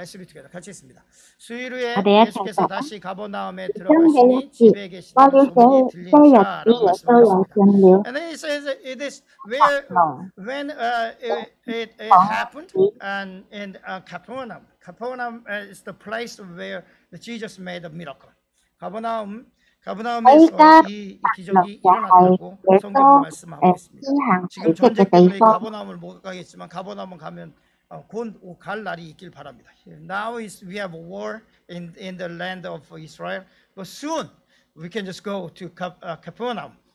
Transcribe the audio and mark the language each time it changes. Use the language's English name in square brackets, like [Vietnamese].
[English] 레스리 투게더 [Korean] 같이 읽습니다. 수일 후에 예수께서 다시 가버나움에 들어가시니 집에 계시던 소문이 들리니라. [English] And then he says it is where when it happened and in Capernaum. Capernaum is the place where Jesus made a miracle. Capernaum. [Korean] 가브나움에서 이 기적이 일어났다고 성경이 말씀하고 있습니다. 지금 전쟁 때문에 가브나움을 못 가겠지만 가브나움 가면 곧 갈 날이 있길 바랍니다. [English] Now is we have a war in the land of Israel, but soon we can just go to Capernaum.